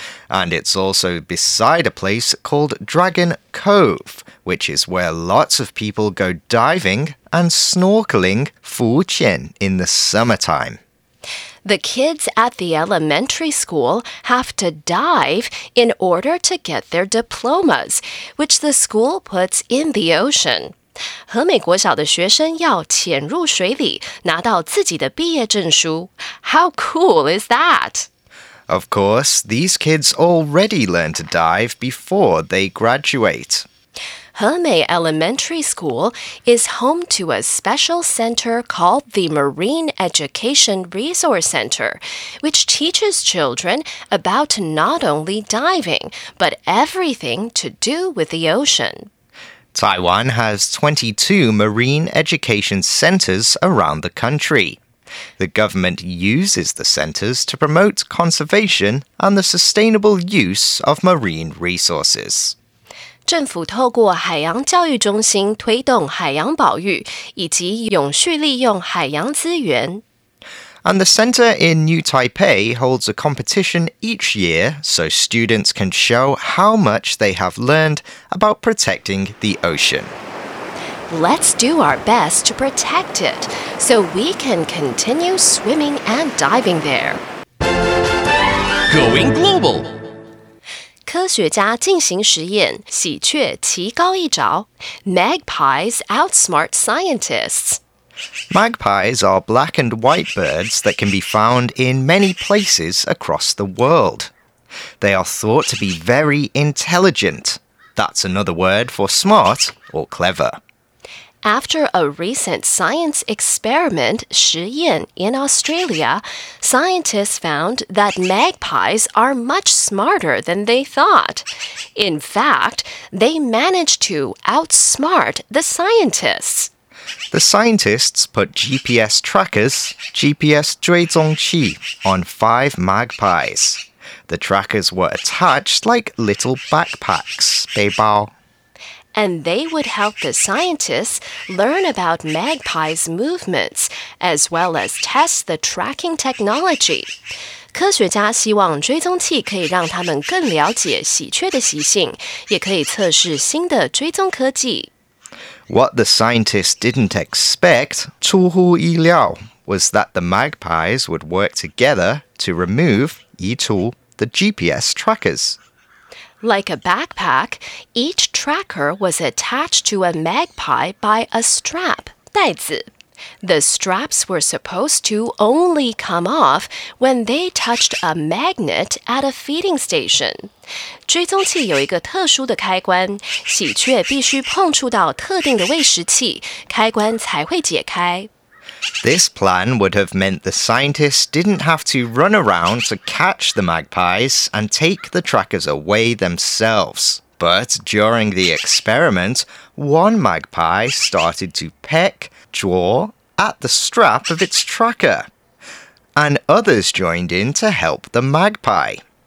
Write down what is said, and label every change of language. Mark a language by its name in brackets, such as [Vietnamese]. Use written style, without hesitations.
[English] And it's also beside a place called Dragon Cove, which is where lots of people go diving and snorkeling [Chinese] 浮潜 [English] in the summertime. The kids at the elementary school have to dive in order to get their diplomas, which the school puts in the ocean. [Chinese] 和美国小的学生要潜入水里拿到自己的毕业证书。 [English] How cool is that? Of course, these kids already learn to dive before they graduate. Hemei Elementary School is home to a special center called the Marine Education Resource Center, which teaches children about not only diving, but everything to do with the ocean. Taiwan has 22 marine education centers around the country. The government uses the centers to promote conservation and the sustainable use of marine resources. [Chinese] 政府透过海洋教育中心推动海洋保育以及永续利用海洋资源。 [English] And the center in New Taipei holds a competition each year so students can show how much they have learned about protecting the ocean. Let's do our best to protect it so we can continue swimming and diving there. Going global! [Chinese] 科学家进行实验，喜鹊提高一着。 [English] Magpies outsmart scientists. Magpies are black and white birds that can be found in many places across the world. They are thought to be very intelligent. That's another word for smart or clever. After a recent science experiment, [Chinese] 实验 [English] in Australia, scientists found that magpies are much smarter than they thought. In fact, they managed to outsmart the scientists. The scientists put GPS trackers, GPS [Chinese] 追踪器, [English] on 5 magpies. The trackers were attached like little backpacks, [Chinese] 背包。 [English] And they would help the scientists learn about magpies' movements, as well as test the tracking technology. [Chinese] 科学家希望追踪器可以让他们更了解喜鹊的习性，也可以测试新的追踪科技。 [English] What the scientists didn't expect, [Chinese] 出乎意料, [English] was that the magpies would work together to remove, [Chinese] 移除, [English] the GPS trackers. Like a backpack, each tracker was attached to a magpie by a strap, [Chinese] 带子. [English] The straps were supposed to only come off when they touched a magnet at a feeding station. [Chinese] 追踪器有一个特殊的开关，喜鹊必须碰触到特定的喂食器，开关才会解开。 [English] This plan would have meant the scientists didn't have to run around to catch the magpies and take the trackers away themselves. But during the experiment, one magpie started to peck, draw, at the strap of its tracker. And others joined in to help the magpie.